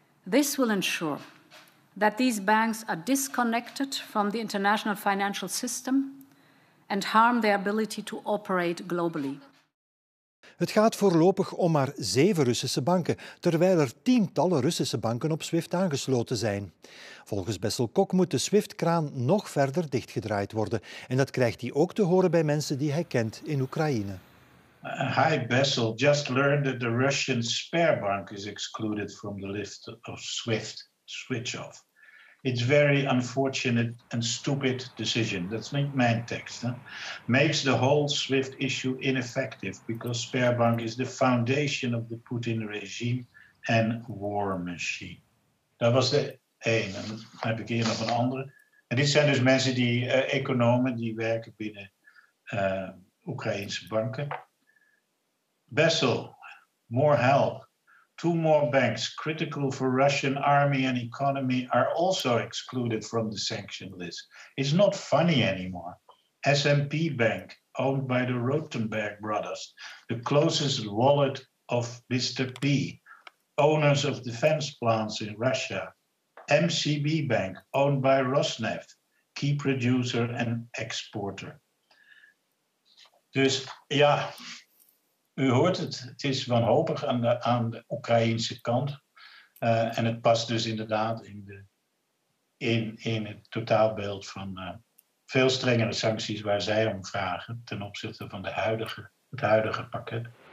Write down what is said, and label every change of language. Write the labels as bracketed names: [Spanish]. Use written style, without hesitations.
[English] This will ensure that these banks are disconnected from the international financial system and harm their ability to operate globally. [Dutch] Het gaat voorlopig om maar 7 Russische banken, terwijl er tientallen Russische banken op SWIFT aangesloten zijn. Volgens Bessel Kok moet de SWIFT-kraan nog verder dichtgedraaid worden. En dat krijgt hij ook te horen bij mensen die hij kent in Oekraïne. [English] Hi Bessel, just learned that the Russian spare bank is excluded from the list of SWIFT switch-off. It's very unfortunate and stupid decision. That's not my text. Huh? Makes the whole SWIFT issue ineffective because Sberbank is the foundation of the Putin regime and war machine. [Dutch] Dat was de een. En dan heb ik hier nog een andere. En dit zijn dus mensen die economen die werken binnen Oekraïense banken. [English] Bessel, more help. 2 more banks critical for Russian army and economy are also excluded from the sanction list. It's not funny anymore. SMP Bank, owned by the Rotenberg brothers, the closest wallet of Mr. P, owners of defense plants in Russia. MCB Bank, owned by Rosneft, key producer and exporter. [Dutch] Dus ja. U hoort het, het is wanhopig aan de Oekraïense kant. En het past dus inderdaad in het totaalbeeld van veel strengere sancties waar zij om vragen ten opzichte van het huidige pakket.